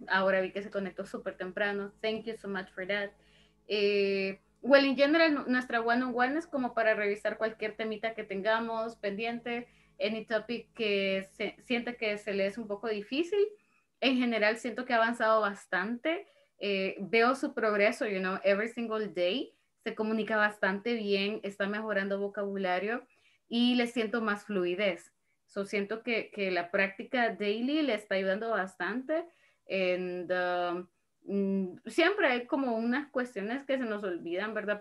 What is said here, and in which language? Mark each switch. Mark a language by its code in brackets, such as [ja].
[es] Ahora vi que se conectó súper temprano. [en] Thank you so much for that. Well, in general, [es] nuestra one-on-one es como para revisar cualquier temita que tengamos pendiente, [en] any topic [es] que sienta que se le es un poco difícil. En general, siento que ha avanzado bastante. Veo su progreso, [en] you know, every single day. [es] Se comunica bastante bien, está mejorando vocabulario y le siento más fluidez. So, siento que la práctica daily le está ayudando bastante. And, siempre hay como unas cuestiones que se nos olvidan, ¿verdad?